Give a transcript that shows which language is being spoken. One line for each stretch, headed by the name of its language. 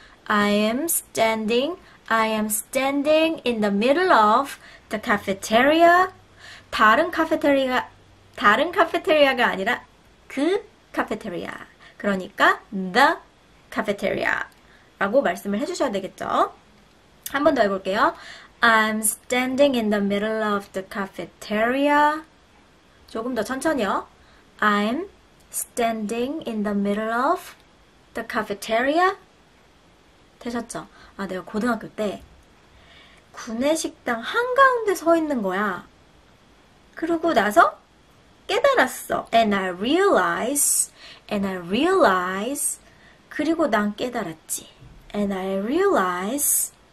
English: I am standing in the middle of the cafeteria.
Korean: 다른 카페테리아가 아니라 그 카페테리아. 그러니까
English: the cafeteria
Korean: 라고 말씀을 해주셔야 되겠죠. 한 번 더 해볼게요.
English: I'm standing in the middle of the cafeteria.
Korean: 조금 더 천천히요.
English: I'm standing in the middle of the cafeteria.
Korean: 되셨죠? 아, 내가 고등학교 때 구내식당 한가운데 서 있는 거야. 그러고 나서 깨달았어.
English: And I realize.
Korean: 그리고 난 깨달았지.
English: And I realize.